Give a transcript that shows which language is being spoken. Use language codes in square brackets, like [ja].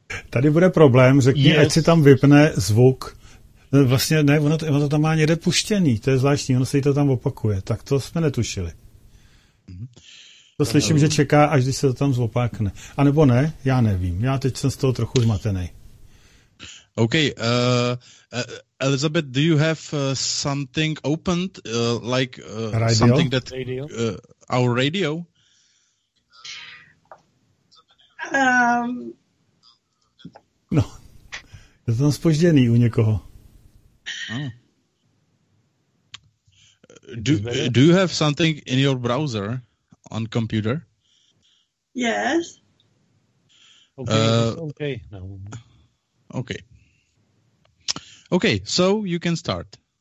[cs] Tady bude problém, řekni, ať si tam vypne zvuk. Vlastně ne, ono to tam má někde puštěný, to je zvláštní, ono se jí to tam opakuje. Tak to jsme netušili. To slyším, že čeká, až když se to tam zopakne. A nebo ne, já nevím, já teď jsem z toho trochu zmatený. [en] Okay, Elizabeth, do you have something opened, like radio? Something that our radio? [cs] No, je to tam zpožděný u někoho. [en] Do you have something in your browser on computer? Yes. Okay, so you can start.